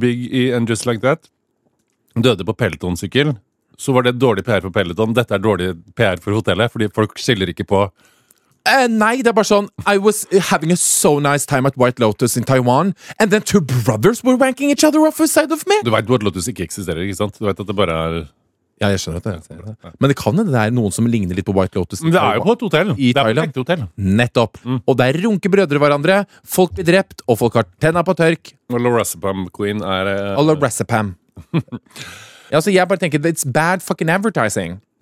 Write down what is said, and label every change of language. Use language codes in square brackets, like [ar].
[no] Big i And Just Like That, døde på Peloton-sykkel, så var det dårlig PR for Peloton. Dette dårlig PR for hotellet, fordi folk skiller ikke på... Nei, det bare sånn, [en] I was having a so nice time at White Lotus in Taiwan, and then two brothers were wanking each other off the side of me. [no] Du vet at White Lotus ikke eksisterer, ikke sant? Du vet at det bare er... Ja, jeg skjønner det. Men det kan jo, det er noen som ligner litt på White Lotus. Men det er jo på et hotell. I Thailand. Det er på et ekte hotell. Nettopp. Mm. Og der runker brødre hverandre, folk blir drept, og folk har tenna på tørk. Og Lorazepam Queen er... Og Lorazepam. Ja, så jeg bare tenker, [en] it's bad fucking advertising.